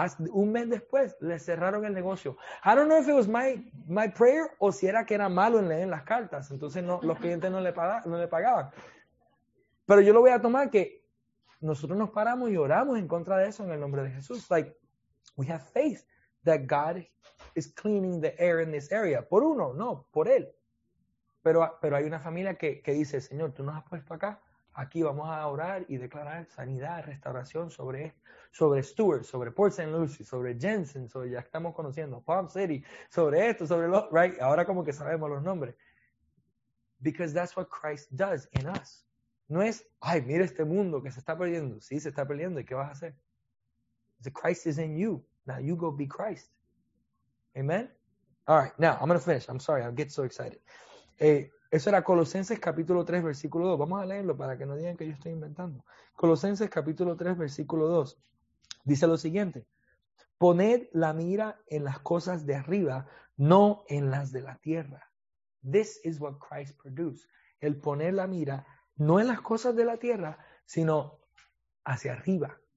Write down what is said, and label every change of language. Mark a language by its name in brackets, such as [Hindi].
[Spanish] Un mes después le cerraron el negocio. [English] I don't know if it was my prayer [Spanish] o si era que era malo en leer las cartas. Entonces no, los clientes no le pagaban. Pero yo lo voy a tomar que nosotros nos paramos y oramos en contra de eso en el nombre de Jesús. [English] Like, we have faith that God is cleaning the air in this area. [Spanish] Por uno, no, por él. Pero hay una familia que dice, Señor, tú nos has puesto acá. Aquí vamos a orar y declarar sanidad, restauración sobre Stuart, sobre Port St. Lucie, sobre Jensen, sobre ya estamos conociendo Palm City, sobre esto, sobre lo, right? Ahora como que sabemos los nombres. [English] Because that's what Christ does in us. [Spanish] No es, ay, mira este mundo que se está perdiendo. Sí, se está perdiendo. ¿Y qué vas a hacer? [English] The Christ is in you. Now you go be Christ. Amen? All right, now I'm going to finish. I'm sorry, I get so excited. [Spanish] Eso era Colosenses capítulo 3, versículo 2. Vamos a leerlo para que no digan que yo estoy inventando. Colosenses capítulo 3, versículo 2. Dice lo siguiente: poned la mira en las cosas de arriba, no en las de la tierra. [English] This is what Christ produced. [Spanish] El poner la mira no en las cosas de la tierra, sino hacia arriba.